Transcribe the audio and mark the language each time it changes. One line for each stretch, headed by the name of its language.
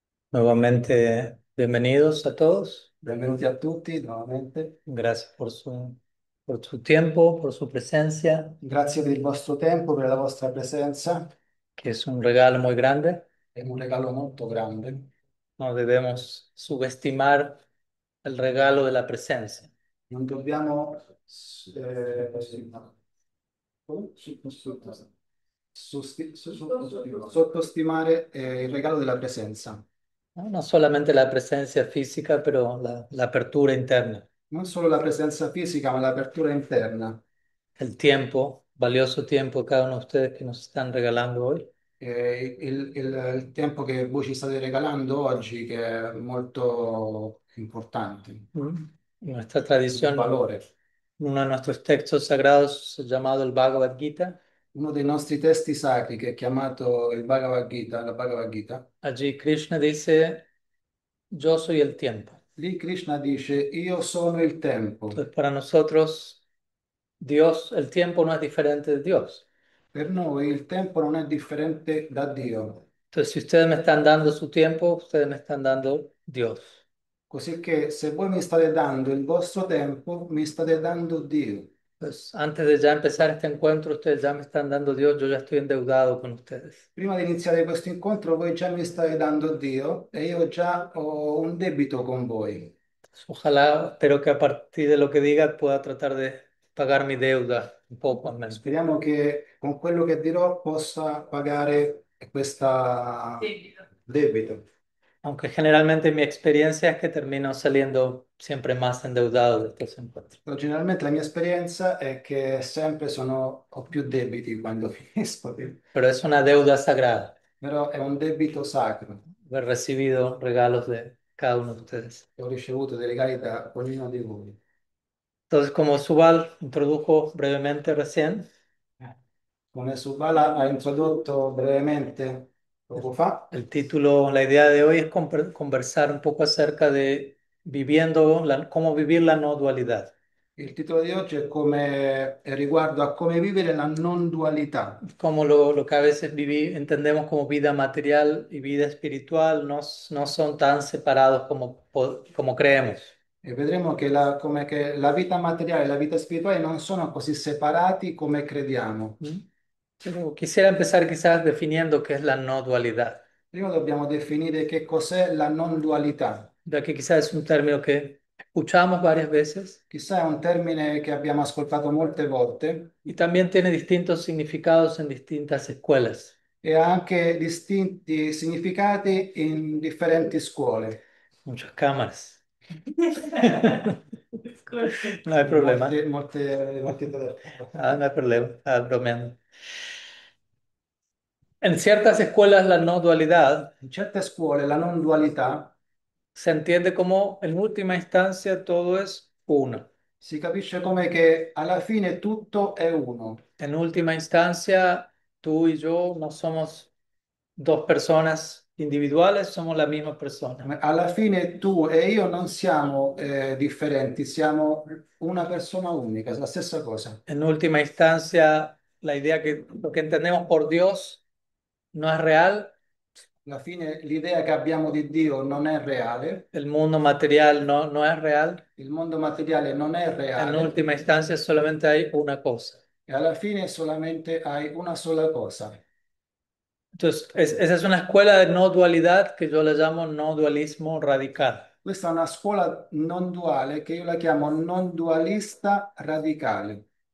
Spanish: Nuevamente, bienvenidos a todos. Bienvenidos
Italian: a tutti
Spanish: nuevamente. Gracias por su tiempo, por su presencia,
Italian: Grazie per il vostro tempo, per la vostra presenza.
Spanish: que es un regalo muy grande.
Italian: È un regalo molto grande.
Spanish: No debemos subestimar el regalo de la presencia.
Italian: Non dobbiamo sottostimare il regalo della presenza.
Spanish: No solamente la presencia fisica,
Italian: però l'apertura interna. Non solo la presenza fisica, ma l'apertura interna. Il tempo,
Spanish: valioso tempo, cada uno di ustedes che nos están regalando hoy.
Italian: Il tempo che voi ci state regalando oggi, che è molto importante,
Spanish: Nuestra
Italian: di
Spanish: tradición,
Italian: valore.
Spanish: uno de nuestros textos sagrados, llamado el Bhagavad Gita.
Italian: Uno dei nostri testi sacri che è chiamato il Bhagavad Gita, la Bhagavad Gita.
Spanish: Allí Krishna dice: Yo soy el tiempo.
Italian: Lì Krishna dice: Io sono il
Spanish: Entonces,
Italian: tempo.
Spanish: para nosotros, Dios, el tiempo no es diferente de Dios.
Italian: Per noi il tempo non è differente da Dio.
Spanish: Entonces, si ustedes me están dando su tiempo, ustedes me están dando Dios.
Italian: Così che se voi mi state dando il vostro tempo, mi state dando Dio.
Spanish: Pues antes de ya empezar este encuentro, ustedes ya me están dando Dios, yo ya estoy endeudado con ustedes.
Italian: Prima di iniziare questo incontro, voi già mi state dando Dio e io già ho un debito con voi.
Spanish: Ojalá, espero que a partir de lo que diga pueda tratar de pagar mi deuda un poco al menos.
Italian: Speriamo che con quello che dirò possa pagare questo debito.
Spanish: Aunque generalmente mi experiencia es que termino saliendo siempre más endeudado de estos encuentros.
Italian: Generalmente la mia esperienza è che sempre ho più debiti quando finisco.
Spanish: Pero es una deuda sagrada.
Italian: Però è un debito sacro.
Spanish: Haber recibido regalos de cada uno de ustedes.
Italian: Ho ricevuto dei regali da ognuno di voi.
Spanish: Entonces, como Subal introdujo brevemente recién,
Italian: Come Subala ha introdotto brevemente poco fa.
Spanish: el título, la idea de hoy es conversar un poco acerca de cómo vivir la no dualidad.
Italian: Il titolo di oggi è riguardo a come vivere la non dualità.
Spanish: Como lo que a veces entendemos como vida material y vida espiritual no son tan separados como creemos.
Italian: E vedremo come che la vita materiale e la vita spirituale non sono così separati come crediamo.
Spanish: Quisiera empezar quizás definiendo qué es la no dualidad,
Italian: Prima dobbiamo definire che cos'è la non dualità.
Spanish: ya que quizás es un término que escuchamos varias veces.
Italian: Chissà, è un termine che abbiamo ascoltato molte volte
Spanish: Y también tiene distintos significados en distintas escuelas.
Italian: e anche distinti significati in differenti scuole.
Spanish: Muchas cámaras. No hay problema.
Italian: Molte, molte, molte.
Spanish: Ah, no hay problema. Ah, bromeando. En ciertas escuelas la no dualidad
Italian: In certe scuole la non dualità
Spanish: se entiende como en última instancia todo es uno.
Italian: si capisce come che alla fine tutto è uno.
Spanish: En última instancia, tú y yo no somos dos personas individuales, somos la misma persona.
Italian: Alla fine tú e io non siamo differenti, siamo una persona unica, la stessa cosa.
Spanish: En última instancia, la idea que lo que entendemos por Dios no es real.
Italian: Alla fine l'idea che abbiamo di Dio non è reale.
Spanish: El mundo material no es real.
Italian: Il mondo materiale non è
Spanish: En
Italian: reale.
Spanish: última instancia, solamente hay una cosa.
Italian: E alla fine
Spanish: solamente hay
Italian: una sola cosa.
Spanish: Entonces, esa es una escuela de no dualidad que yo la llamo no dualismo radical.
Italian: Questa è una scuola non duale che io la chiamo non dualista radicale.